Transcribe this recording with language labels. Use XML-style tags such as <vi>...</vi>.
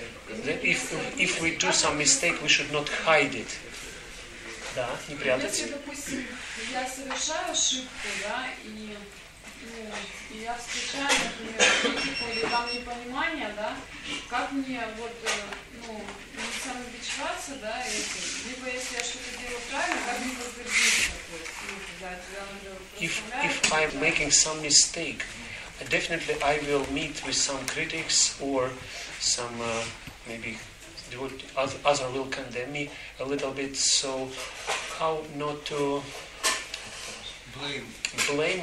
<en>If we do some mistake, we should not hide it.</en> <ru>Да, не прятаться. Если, допустим, я совершаю ошибку, да, и я встречаю, например, критику или там непонимание, да, как мне вот, ну, не самобичеваться, да, этим, либо если я что-то делаю правильно, как мне возгордиться, то есть, ну, да, тебя надо просто</ru> <en>if I'm making some mistake, definitely I will meet with some critics or some, maybe, other will condemn me a little bit, so how not to blame</en>